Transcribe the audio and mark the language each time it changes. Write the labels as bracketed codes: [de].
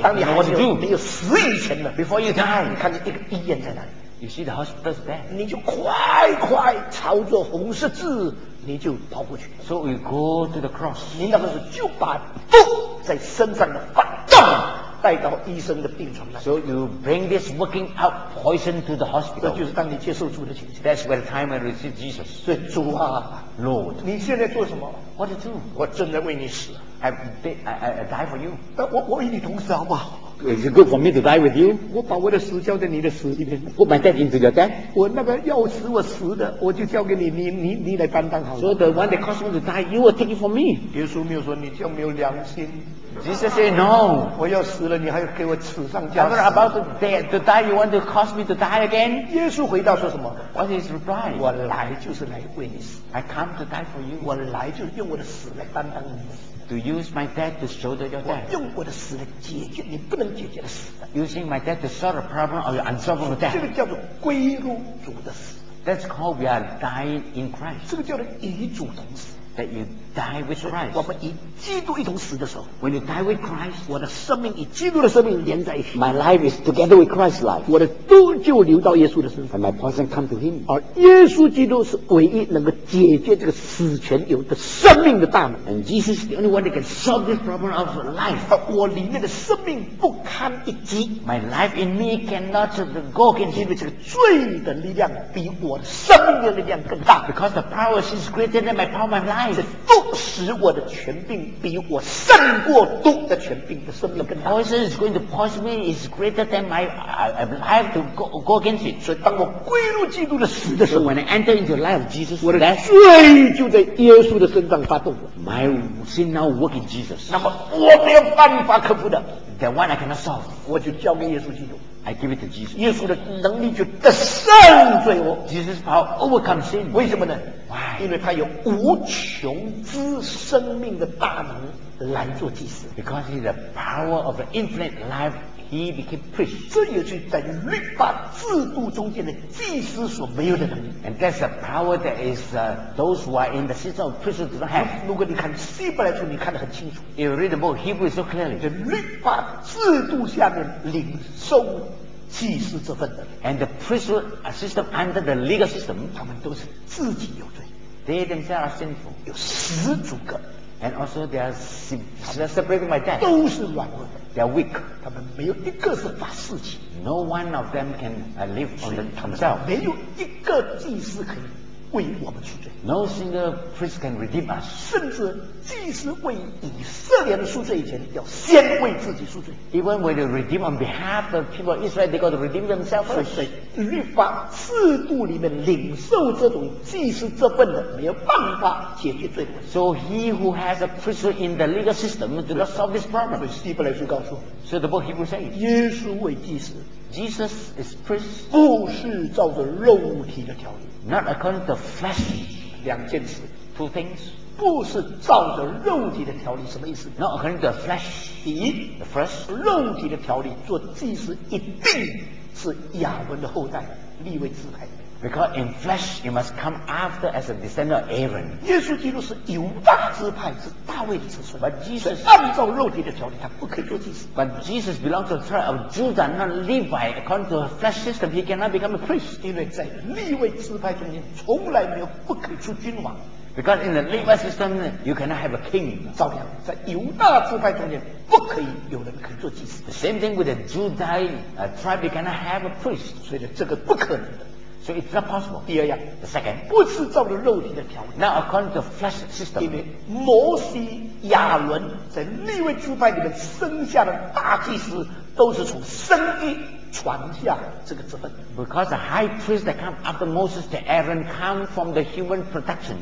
[zh] 当你还没有没有死以前的 [en] ，Before you die， [zh] 你看见一个医院在哪里 [en] ？You see the hospital's bed， [zh] 你就快快朝着红十字，你就跑过去 [en] ，So you go to the cross， [zh] 你那个时候就把毒在身上的发动。带到医生的病床上。 [en] So you bring this working out poison to the hospital. [zh] 这就是当你接受主的情形。 [en] That's where the time when you receive Jesus. [zh] 所以主啊 [en] ，Lord， [zh] 你现在做什么 [en] ？What to do？ [zh] 我正在为你死。 [en] I die for you. [zh] 我与你同死好不好？ [en] Is it good for me to die with you? [zh] 我把我的死交在你的死里面。 [en] Put my death into your death. [zh] 我那个要死我死的，我就交给你，你来担当好了。 [en] So the one that caused me to die, you will take it from me. [zh] 耶稣没有说你这样没有良心。 [en] Jesus said no. [zh] 我要死了，你还要给我死上加死。 [en] After about to die, you want to cause me to die again? [zh] 耶稣回答说什么 [en] ？What is reply? [zh] 我来就是来为你死。 [en] I come to die for you. [zh] 我来就是用我的死来担当你。 [en] To use my death to shoulder your death. [zh] 我用我的死来解决你不能解决的死的。 [en] Using my death to solve a problem or your unsolvable death. [zh] 这个叫做归入主的死。 [en] That's called we are dying in Christ. [zh] 这个叫做与主同死。 [en] That you die with Christ. [zh] 我们与基督一同死的时候。 [en] When you die with Christ, [zh] 我的生命与基督的生命连在一起。 [en] My life is together with Christ's life. [zh] 我的都就流到耶稣的身上。 [en] And my poison come to him. [zh] 而耶稣基督是唯一能够解决这个死权有的生命的大门。 [en] And Jesus is the only one that can solve this problem of life. [zh] 而我里面的生命不堪一击。 [en] My life in me cannot go against him. [zh] 因为这个罪的力量比我的生命的力量更大。 [en] Because the power is greater than my power, my life. [zh] 这毒使我的权柄比我胜过毒的权柄的生命更大。 [en] Poison is going to poison me is greater than my life to go against it. [zh] 所以当我归入基督的死的时候 [en] ，When I enter into the life of Jesus, [zh] 我的罪就在耶稣的身上发动了。 [en] My sin now work in Jesus. [zh] 那么我没有办法克服的 [en] ，The one I cannot solve, [zh] 我就交给耶稣基督。 [en] I give it to Jesus. [zh] 耶稣的能力就得胜罪恶。 [en] Jesus' power overcomes sin. [zh] 为什么呢？ [en] Why? [zh] 因为他有无穷之生命的大能来做祭司。 [en] Because he's the power of an infinite life, he became priest. [zh] 这也是在律法制度中间的祭司所没有的能力。 [en] And that's the power that is those who are in the system of priests do not have. [zh] 如果你看希伯来书，你看得很清楚。 [en] If you read the book Hebrew so clearly, [zh] 在律法制度下面领受。祭司这份的 [en] ，and the priesthood system under the legal system， [zh] 他们都是自己有罪 [en] ，they themselves are sinful， [zh] 有十足个 [en] ，and also they are separated by death， [zh] 都是软弱的 [en] ，they are weak， [zh] 他们没有一个是发誓祭 [en] ，no one of them can live on themselves， [zh] 没有一个祭司可以为我们赎罪 [en] ，no single priest can redeem us， [zh] 甚至祭司为以色列人赎罪以前，要先为自己赎罪。 [en] Even when they redeem on behalf of people of Israel, they got to redeem themselves first. [zh] 所以律法制度里面领受这种祭司这份的，没有办法解决罪过。 [en] So he who has a priest in the legal system do not solve this problem. [zh] 所以希伯来书告诉 [en] ，So the book of Hebrews says, [zh] 耶稣为祭司 [en] ，Jesus is priest， [zh] 不是照着肉体的条例 [en] ，Not according to flesh. [zh] 两件事 [en] ，Two things. [zh] 不是照着肉体的条例，什么意思 [en] ？Not according to flesh. [zh] 第一 [en] ，the first， [zh] 肉体的条例做祭司一定是亚伦的后代，立位支派。 [en] Because in flesh you must come after as a descendant of Aaron. [zh] 耶稣基督是犹大支派，是大卫的子孙。 [en] But Jesus [zh] 按照肉体的条例，他不可以做祭司。 [en] But Jesus belongs to the tribe of Judah, not Levi. According to the flesh system, he cannot become a priest. [zh] 因为在立位支派中间，从来没有不可以出君王。 [en] Because in the Levite system, you cannot have a king. [zh] 照样，在犹大支派中间，不可以有人可以做祭司。 [en] The same thing with the Judah tribe, you cannot have a priest. [zh] 所以这个不可能的。 [en] So it's not possible. [zh] 第二样 [en] ，the second， [zh] 不是照着肉体的条例。 [en] Now according to flesh system， [zh] 因为摩西、亚伦在立位支派里面生下的大祭司，都是从生育。传下这个职分 [en] ，because the high priest that come after Moses to Aaron come from the human production，